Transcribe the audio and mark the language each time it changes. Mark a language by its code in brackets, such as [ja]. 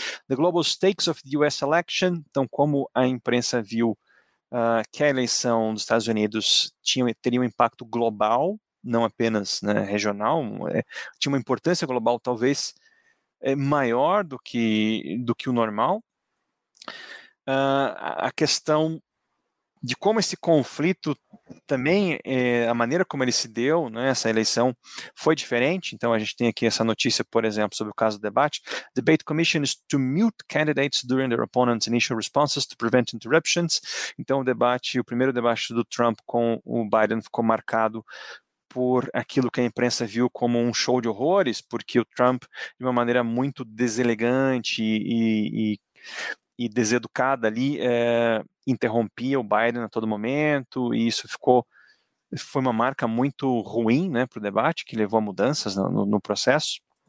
[en] The Global Stakes of the US Election, [pt] então como a imprensa viu que a eleição dos Estados Unidos teria um impacto global, não apenas, né, regional, tinha uma importância global talvez maior do que o normal. A questão de como esse conflito também, a maneira como ele se deu, né, essa eleição foi diferente. Então a gente tem aqui essa notícia, por exemplo, sobre o caso do debate. [en] Debate Commission is to mute candidates during their opponents' initial responses to prevent interruptions. [pt] Então o primeiro debate do Trump com o Biden ficou marcado por aquilo que a imprensa viu como um show de horrores, porque o Trump, de uma maneira muito deselegante e deseducada ali, interrompia o Biden a todo momento, e isso foi uma marca muito ruim, né, para o debate, que levou a mudanças no processo.